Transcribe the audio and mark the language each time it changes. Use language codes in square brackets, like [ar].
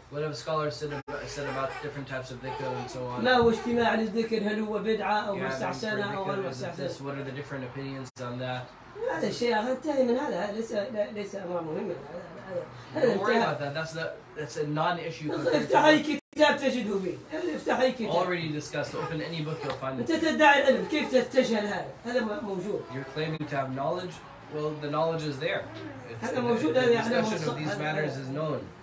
[en] What have scholars said about different types of dhikr and so on? [ar] ما هو اجتماع للذكر؟ هل هو بدعة أو مستحسنة أو غير مستحسنة؟ [en] What are the different opinions on that? [ar] هذا الشيء هذا انتهي من هذا ليس أمر مهم هذا. [en] Don't worry about that. That's a non-issue. [ar] افتح أي كتاب تجده فيه. افتح أي كتاب. [en] Already discussed. Open any book you'll find. [ar] أنت تدعي العلم كيف تتجهل هذا موجود. [en] You're claiming to have knowledge. Well, the knowledge is there. It's, the discussion of these matters is known.